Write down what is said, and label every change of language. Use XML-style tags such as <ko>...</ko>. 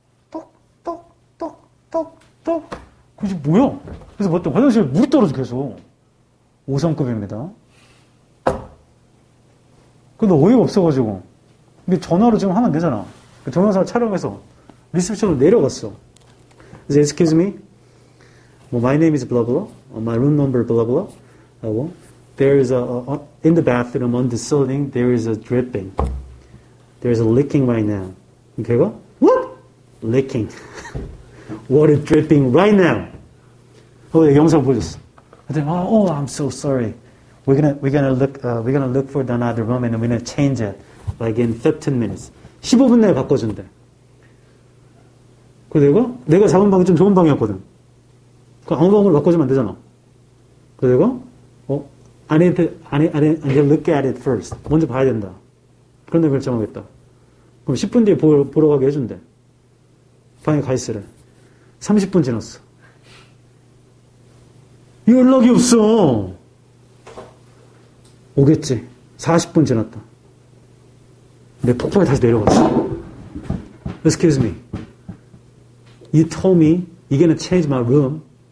<ko>톡톡톡톡톡. 그게 뭐야? 그래서 봤더니 화장실에 물이 떨어져 계속. 5성급입니다. 근데 어이가 없어가지고. 근데 전화로 지금 하면 되잖아. 그 동영상을 촬영해서 리셉션으로 내려갔어.</ko> <en>그래서 excuse me. 뭐, my name is blah blah. My room number blah blah. There is a, in the bathroom on the ceiling, there is a dripping. There's a leaking right now. 그리고 what? Leaking. Water dripping right now.</en> <ko>어, 영상 보셨어.</ko> <en>하여튼, oh, I'm so sorry. We're gonna look for another room and we're gonna change it like in 15 minutes.</en> <ko>15분 내에 바꿔준대. 그리고 내가 잡은 방이 좀 좋은 방이었거든. 그 아무 방으로 바꿔주면 안 되잖아. 그리고</ko> <en>I need to look at it first.</en> <ko>먼저 봐야 된다. 그런데 결정하겠다. 그럼 10분 뒤에 보러 가게 해준대. 방에 가 있으래. 30분 지났어. 연락이 없어. 오겠지. 40분 지났다. 내 폭발이 다시 내려갔어.</ko> <en>Excuse me. You told me you're gonna change my room.</en>